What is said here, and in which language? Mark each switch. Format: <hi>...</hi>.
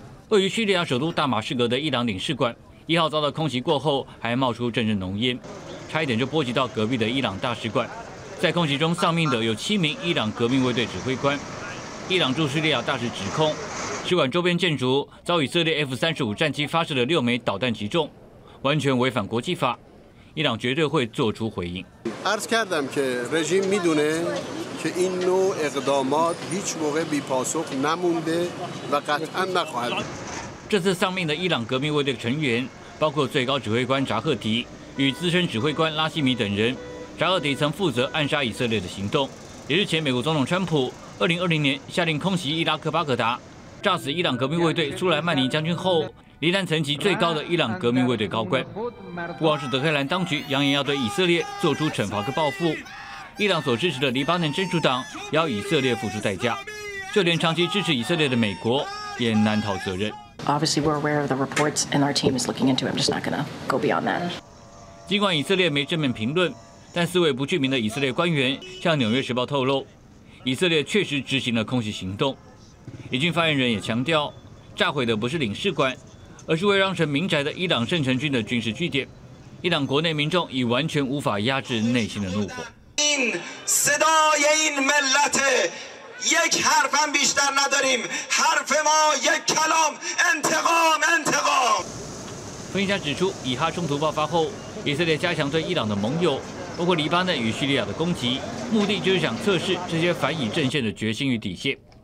<zh>位于叙利亚首都大马士革的伊朗领事馆1号遭到空袭过后，还冒出阵阵浓烟，差一点就波及到隔壁的伊朗大使馆。在空袭中丧命的有7名伊朗革命卫队指挥官。伊朗驻叙利亚大使指控，使馆周边建筑遭以色列 F-35 战机发射的6枚导弹击中，完全违反国际法。伊朗绝对会做出回应。</zh> <fa>عرض کردم که رژیم میدونه که این نوع اقدامات هیچ موقع بی پاسخ نمونده و قطعا نخواهد.</fa> <zh>这次丧命的伊朗革命卫队成员包括最高指挥官扎赫迪。与资深指挥官拉希米等人，扎赫迪曾负责暗杀以色列的行动，也是前美国总统川普2020年下令空袭伊拉克巴格达，炸死伊朗革命卫队苏莱曼尼将军后，离担层级最高的伊朗革命卫队高官。不光是德黑兰当局扬言要对以色列做出惩罚和报复，伊朗所支持的黎巴嫩真主党也要以色列付出代价，就连长期支持以色列的美国也难逃责任。</zh> <en>Obviously, we're aware of the reports, and our team is looking into it. I'm just not going to go beyond that.</en> <zh>尽管以色列没正面评论，但4位不具名的以色列官员向《纽约时报》透露，以色列确实执行了空袭行动。以军发言人也强调，炸毁的不是领事馆，而是为让成民宅的伊朗圣城军的军事据点。伊朗国内民众已完全无法压制内心的怒火。分析家指出，以哈冲突爆发后，以色列加强对伊朗的盟友，包括黎巴嫩与叙利亚的攻击，目的就是想测试这些反以阵线的决心与底线。</zh>